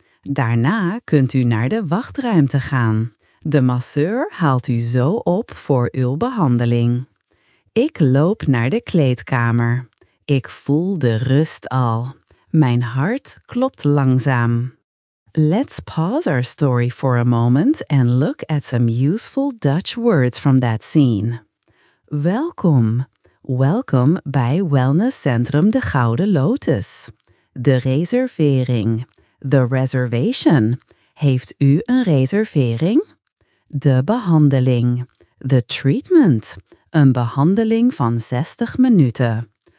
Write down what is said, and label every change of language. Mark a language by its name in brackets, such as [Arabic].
[Dutch] Daarna kunt u naar de wachtruimte gaan. De masseur haalt u zo op voor uw behandeling. Ik loop naar de kleedkamer. Ik voel de rust al. Mijn hart klopt langzaam. [English] Let's pause our story for a moment and look at some useful Dutch words from that scene. [Dutch] Welkom. Welkom bij Wellnesscentrum De Gouden Lotus. De reservering. [English] The reservation. [Dutch] Heeft u een reservering? De behandeling. [English] The treatment. [Dutch] Een behandeling van 60 minuten.